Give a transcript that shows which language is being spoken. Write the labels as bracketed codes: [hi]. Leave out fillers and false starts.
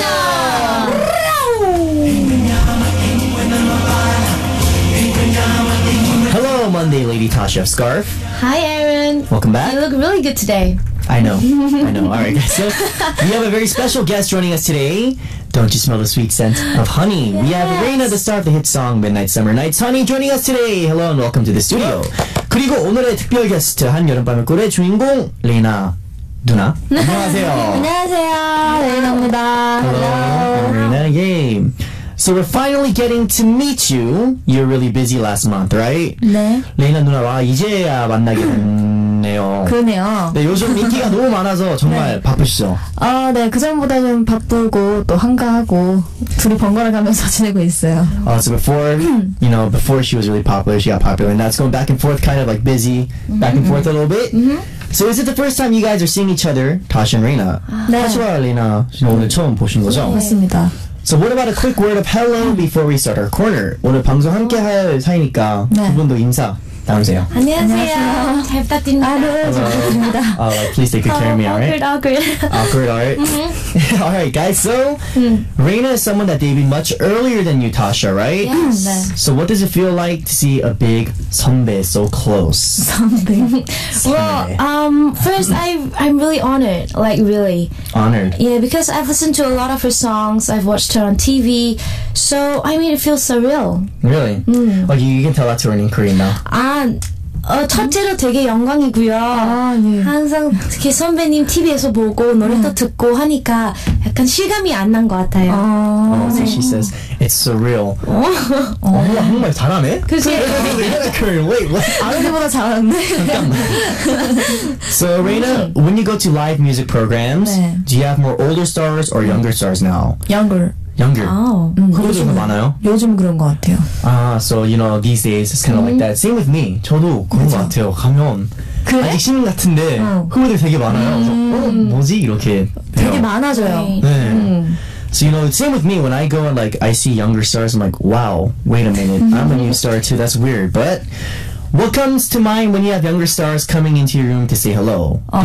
[en] Hello, Monday Lady Tasha of Scarf. Hi, Aaron. Welcome back. You look really good today. I know. All right, guys. So, we have a very special guest joining us today. Don't you smell the sweet scent of honey? Yes. We have Reina, the star of the hit song Midnight Summer Nights Honey, joining us today. Hello and welcome to the studio. [ko] 그리고 오늘의 특별 게스트 한 여름밤의 꿀의 주인공 레이나 누나. 안녕하세요. 안녕하세요. 레이나입니다. [en] Hello, Reina. Yay. So we're finally getting to meet you. You're really busy last month, right? [ko] 네. 레이나 누나와 이제야 만나게 됐네요. 그러네요. 네, 요즘 인기가 너무 많아서 정말 네. 바쁘시죠? 아, 네. 그전보다는 바쁘고 또 한가하고 둘이 번갈아 가면서 지내고 있어요. [en] So before, you know, before she was really popular, she got popular. And now it's going back and forth, kind of like busy, back and forth a little bit. So is it the first time you guys are seeing each other, Tasha and Reina? [ko] 네. Tasha와 레이나 오늘 처음 보신 거죠? 네, 맞습니다. [en] So what about a quick word of hello before we start our corner? [ko] 오늘 방송 함께 할 사이니까 네. 두 분도 인사 나누세요. 안녕하세요. 잘 부탁드립니다. 아, 네, 잘 부탁드립니다. [en] Please take good care of me, alright? Awkward. Alright, guys, so Reina is someone that debuted much earlier than you, Tasha, right? Yes. [ko] 네. [en] So what does it feel like to see a big 선배 so close? Something. Well, first, I'm really honored. Like, really. Honored. Yeah, because I've listened to a lot of her songs. I've watched her on TV. So, I mean, it feels surreal. Really? Well, you can tell that to her in Korean now. [ko] 첫째로 되게 영광이고요. 아, 예. 항상 특히 선배님 TV에서 보고 노래도 듣고 하니까 약간 실감이 안 난 것 같아요. 아, [en] so she says it's surreal. [ko] 뭐야, 정말 잘하네? 그치? [en] Wait, what? [ko] 아르기보다 잘하는데? [en] So, Reina, when you go to live music programs, 네. do you have more older stars or younger stars now? Younger. [ko] Oh, 요즘 많아요. 요즘 그런 것 같아요. [en] Ah, so you know these days it's kind of like that. Same with me. [ko] 저도 그런 것 같아요. 가면 그래? 아직 신인 같은데 후배들 되게 많아요. 뭐지 이렇게 돼요. 되게 많아져요. [en] 네. So you know, same with me. When I go and like I see younger stars, I'm like, wow, wait a minute, I'm a new star too. That's weird. But what comes to mind when you have younger stars coming into your room to say hello?